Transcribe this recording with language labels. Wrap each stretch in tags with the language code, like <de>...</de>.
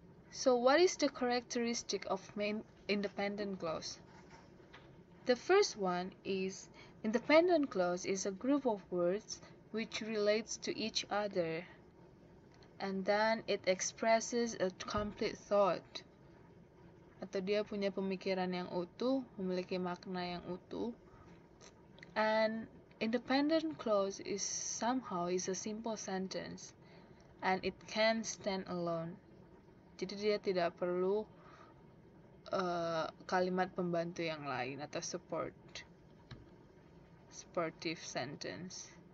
<en>So what is the characteristic of main independent clause? The first one is independent clause is a group of words which relates to each other and then it expresses a complete thought.</en> <id>Atau dia punya pemikiran yang utuh, memiliki makna yang utuh.</id> <en>And independent clause is somehow is a simple sentence and it can stand alone.</en> <id>Jadi dia tidak perlu kalimat pembantu yang lain atau supportive sentence.</id>